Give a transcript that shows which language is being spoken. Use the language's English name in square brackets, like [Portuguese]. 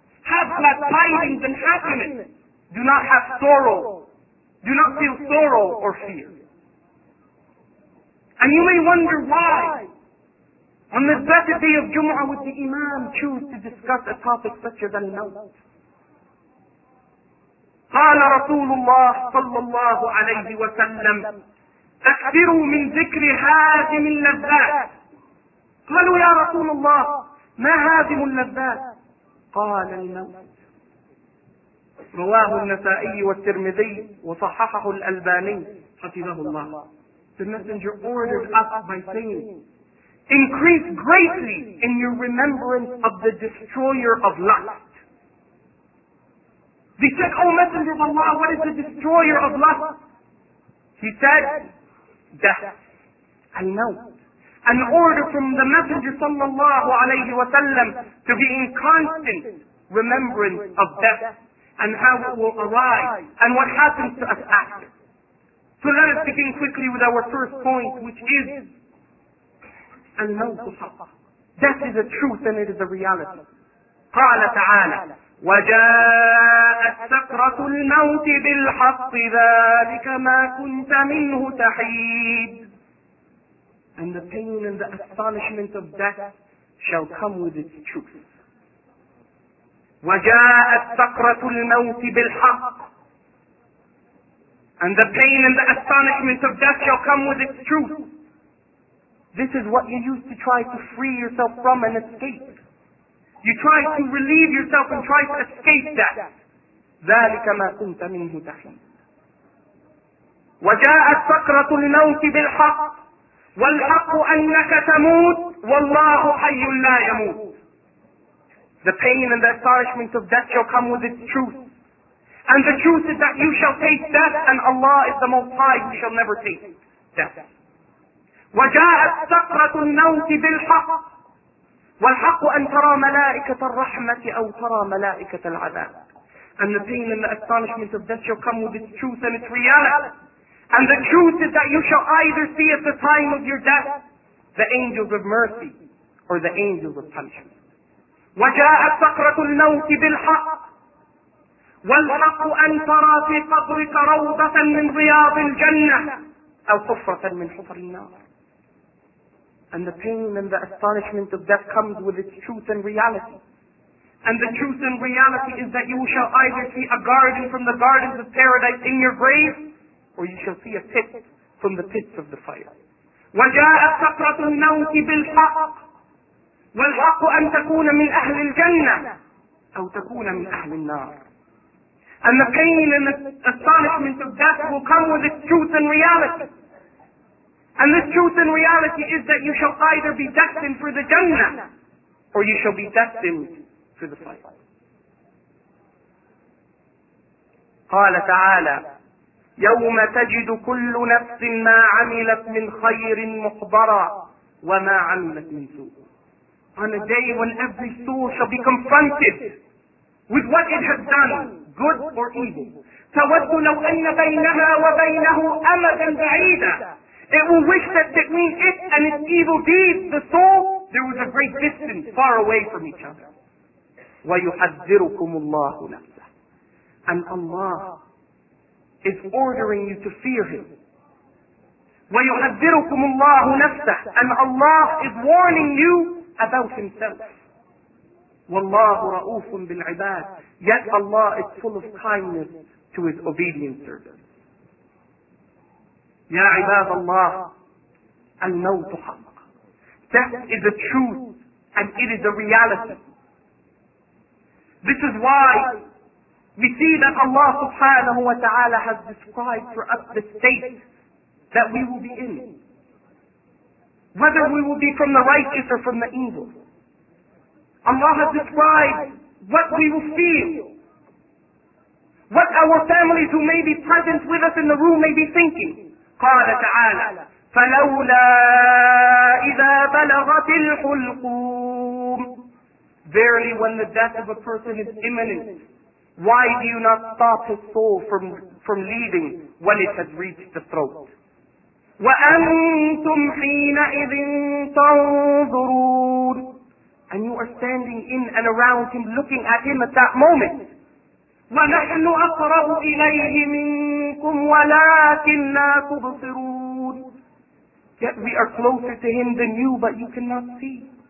[English] Have glad tidings and happiness. Do not have sorrow. Do not feel sorrow or fear. And you may wonder why on this blessed day of Jumu'ah would the Imam choose to discuss a topic such as al-maut. [Arabic] قال رسول الله صلى الله عليه وسلم أكثروا من ذكر هادم اللذات. قالوا يا رسول الله ما هادم اللذات؟ قال الموت. رواه النسائي والترمذي وصححه الألباني حفظه الله. [English] The Messenger ordered us by saying, increase greatly in your remembrance of the destroyer of lust. He said, O Messenger of Allah, what is the destroyer of lust? He said, death. Al-maut. An order from the Messenger [Arabic] sallallahu alayhi wa sallam [English] to be in constant remembrance of death and how it will arise and what happens to us after. So let us begin quickly with our first point, which is al-maut. Death is a truth and it is a reality. [Arabic] قال تعالى وجاءت سكرة الموت بالحق ذلك ما كنت منه تحيد. [English] And the pain and the astonishment of death shall come with its truth. [Arabic] وجاءت سكرة الموت بالحق. [English] And the pain and the astonishment of death shall come with its truth. This is what you used to try to free yourself from and escape. You try to relieve yourself and try to escape that. [Arabic] ذلك ما كنت منه تحيد. وجاءت سكرة الموت بالحق والحق أنك تموت والله حي لا يموت. [English] The pain and the astonishment of death shall come with its truth. And the truth is that you shall taste death and Allah is the Most High, you shall never taste death. [Arabic] وجاءت سكرة الموت بالحق والحق أن ترى ملائكة الرحمة أو ترى ملائكة العذاب. [English] And the pain and the astonishment of death shall come with its truth and its reality. And the truth is that you shall either see at the time of your death the angels of mercy or the angels of punishment. [Arabic] وجاءت سكرة الموت بالحق والحق أن ترى في قبرك روضة من رياض الجنة أو حفرة من حفر النار. [English] And the pain and the astonishment of death comes with its truth and reality. And the truth and reality is that you shall either see a garden from the gardens of paradise in your grave, or you shall see a pit from the pits of the fire. [Arabic] وجاءت سكرة الموت بالحق والحق أن تكون من أهل الجنة أو تكون من أهل النار. [English] And the pain and the astonishment of death will come with its truth and reality. And this truth and reality is that you shall either be destined for the Jannah or you shall be destined for the fire. [Arabic] قال تعالى يوم تجد كل نفس ما عملت من خير محضرا وما عملت من سوء. [English] On a day when every soul shall be confronted with what it has done, good or evil. [Arabic] تود لو أن بينها وبينه أمدا بعيدا. [English] It will wish that between it and its evil deeds, the soul, there was a great distance far away from each other. [Arabic] وَيُحَذِّرُكُمُ اللَّهُ نَفْسَهُ. [English] And Allah is ordering you to fear Him. [Arabic] وَيُحَذِّرُكُمُ اللَّهُ نَفْسَهُ. [English] And Allah is warning you about Himself. [Arabic] وَاللَّهُ رَؤُوفٌ بِالْعِبَادِ. [English] Yet Allah is full of kindness to His obedient servants. [Arabic] يا عباد الله الموت حق. [English] Death is a truth and it is a reality. This is why we see that Allah [Arabic] subhanahu wa ta'ala [English] has described for us the state that we will be in. Whether we will be from the righteous or from the evil. Allah has described what we will feel. What our families who may be present with us in the room may be thinking. [Arabic] قال تعالى فلولا إذا بلغت الحلقوم. [English] Verily when the death of a person is imminent, why do you not stop his soul from leaving when it has reached the throat? [Arabic] وأنتم حينئذ تنظرون. [English] And you are standing in and around him, looking at him at that moment. [Arabic] ونحن أقرب إليه منكم ولكننا تبصرون. [English] Yet we are closer to him than you, but you cannot see.